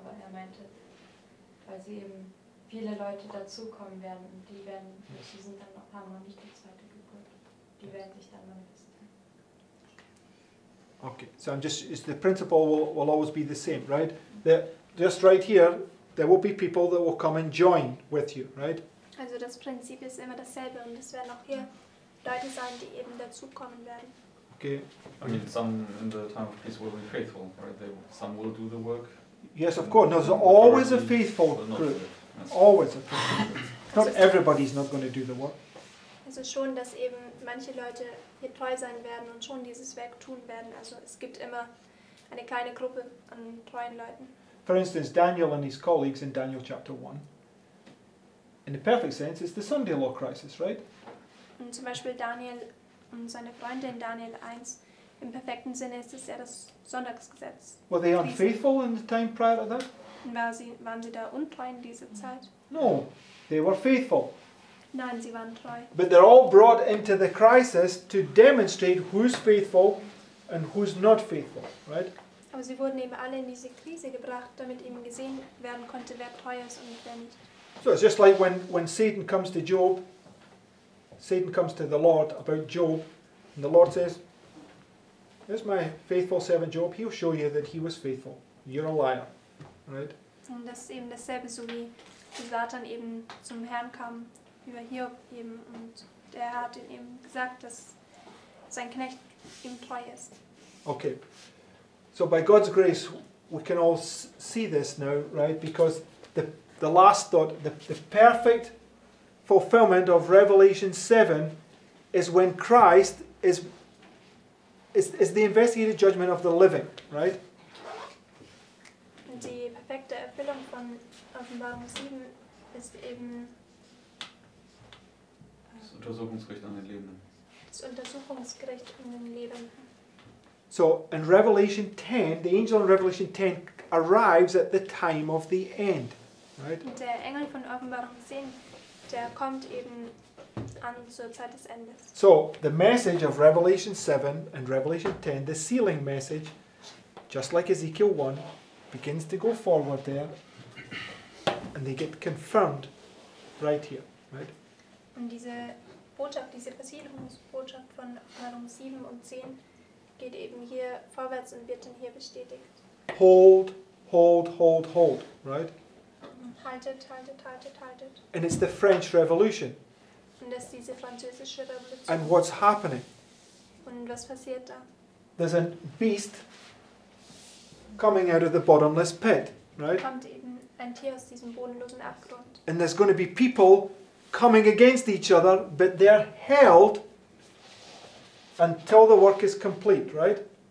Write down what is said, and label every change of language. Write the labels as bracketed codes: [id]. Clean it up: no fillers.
[de] Weil sie eben viele Leute dazukommen werden und die werden, yes. Die sind dann noch, haben noch nicht die zweite Geburt, die werden sich dann manifestieren. [en] Okay, so I'm just, the principle will always be the same, right? Mm-hmm. Just right here, there will be people that will come and join with you, right? [de] Also das Prinzip ist immer dasselbe und es werden auch hier Leute sein, die eben dazukommen werden. Okay. [en] I mean, some in the time of peace will be faithful, right? They, some will do the work. Yes, of course. No, there's always a faithful group. Always a faithful group. Not everybody's not going to do the work. [de] Also schon, dass eben manche Leute hier treu sein werden und schon dieses Werk tun werden. Also es gibt immer eine kleine Gruppe an treuen Leuten. [en] For instance, Daniel and his colleagues in Daniel chapter 1. In the perfect sense, it's the Sunday law crisis, right? [de] Und zum Beispiel Daniel und seine Freunde in Daniel 1. Im perfekten Sinne ist es ja das Sonntagsgesetz. [en] Were they unfaithful in the time prior to that? [de] Waren sie da untreu in dieser Zeit? [en] No, they were faithful. [de] Nein, sie waren treu. [en] But they're all brought into the crisis to demonstrate who's faithful and who's not faithful, right? [de] Aber sie wurden eben alle in diese Krise gebracht, damit eben gesehen werden konnte, wer treu ist und wer nicht. [en] So it's just like when Satan comes to Job, Satan comes to the Lord about Job, and the Lord says, "Here's my faithful servant Job. He'll show you that he was faithful. You're a liar, right?" [de] Und das ist eben dasselbe, so wie Satan eben zum Herrn kam über Hiob eben, und der Herr hat ihm gesagt, dass sein Knecht ihm treu ist. [en] Okay. So by God's grace, we can all see this now, right? Because the last thought, the perfect fulfillment of Revelation 7 is when Christ is the investigated judgment of the living, right? [de] Die perfekte Erfüllung von Offenbarung 7 ist eben das Untersuchungsgericht an den Lebenden. Das Untersuchungsgericht an den Lebenden. [en] So in Revelation 10, the angel in Revelation 10 arrives at the time of the end. Right. [de] Der Engel von Offenbarung 10, der kommt eben an zur Zeit des Endes. [en] So, the message of Revelation 7 and Revelation 10, the sealing message, just like Ezekiel 1, begins to go forward there, and they get confirmed right here. Right? [de] Und diese Botschaft, diese Versiegelungsbotschaft von Offenbarung 7 und 10, geht eben hier vorwärts und wird dann hier bestätigt. [en] Hold, hold, hold, hold, right? [de] Haltet, haltet, haltet, haltet. [en] And it's the French Revolution. [de] Und das ist diese französische Revolution. [en] And what's happening? [de] Und was passiert da? [en] There's a beast coming out of the bottomless pit, right? [de] Kommt eben ein Tier aus diesem bodenlosen Abgrund. [en] And there's going to be people coming against each other, but they're held until the work is complete, right?